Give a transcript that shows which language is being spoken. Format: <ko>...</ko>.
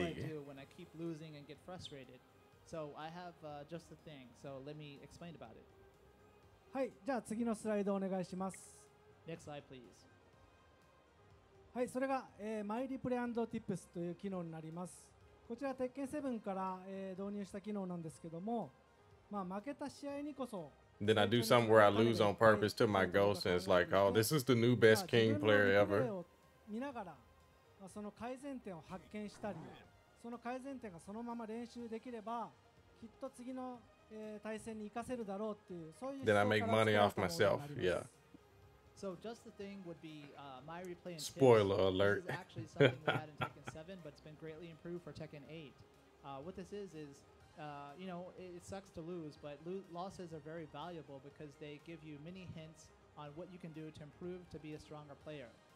<en>When I keep losing and get frustrated, so I have just the thing. So let me explain about it.</en> <ja>はい、じゃあ次のスライドお願いします。</ja> <en>Next slide, please.</en> <ja>はい、それがマイリプレイ&ティップスという機能になります。こちら鉄拳7から、導入した機能なんですけども、まあ、負けた試合にこそ。</ja> <en>Then I do something where I lose on purpose to my ghost, and it's like, oh, this is the new best king player ever.</en> <ja>見ながら、その改善点を発見したり、その改善点がそのまま練習できれば、きっと次の、対戦に生かせるだろうっていう、そういう</ja> <en>Then I make money off myself, yeah. So just the thing would be my replay and spoiler tips. Alert. This is actually something we had in Tekken 7, but it's been greatly improved for Tekken 8. What this is, you know, it sucks to lose, but losses are very valuable because they give you many hints on what you can do to improve to be a stronger player.</en>